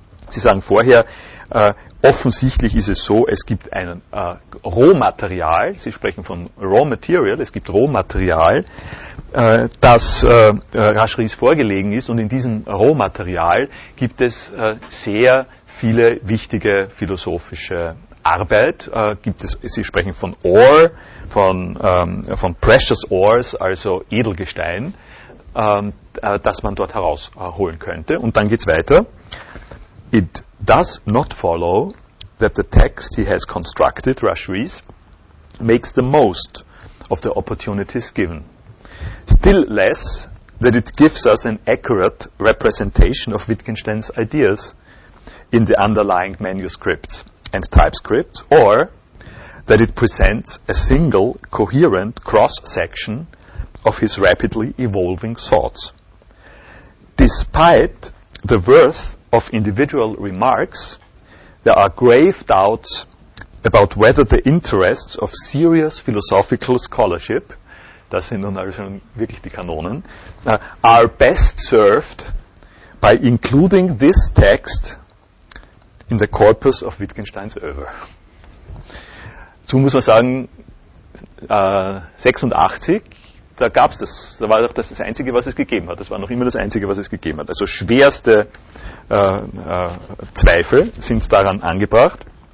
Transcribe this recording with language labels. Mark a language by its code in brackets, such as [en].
[de] Sie sagen vorher, offensichtlich ist es so, es gibt ein Rohmaterial, Sie sprechen von Raw Material, es gibt Rohmaterial, das Rush Rees vorgelegen ist, und in diesem Rohmaterial gibt es sehr viele wichtige philosophische Arbeit, gibt es, Sie sprechen von Ore, von Precious Ores, also Edelgestein, das man dort herausholen könnte. Und dann geht's weiter. [en] It does not follow that the text he has constructed, Rush Rees, makes the most of the opportunities given. Still less that it gives us an accurate representation of Wittgenstein's ideas in the underlying manuscripts and typescripts, or that it presents a single coherent cross-section of his rapidly evolving thoughts. Despite the worth of individual remarks, there are grave doubts about whether the interests of serious philosophical scholarship, [de] das sind nun also wirklich die Kanonen, [en] are best served by including this text in the corpus of Wittgensteins Oeuvre. [de] Dazu muss man sagen, 86, da gab es das, da war doch das Einzige, was es gegeben hat. Das war noch immer das Einzige, was es gegeben hat. Also schwerste Zweifel sind daran angebracht.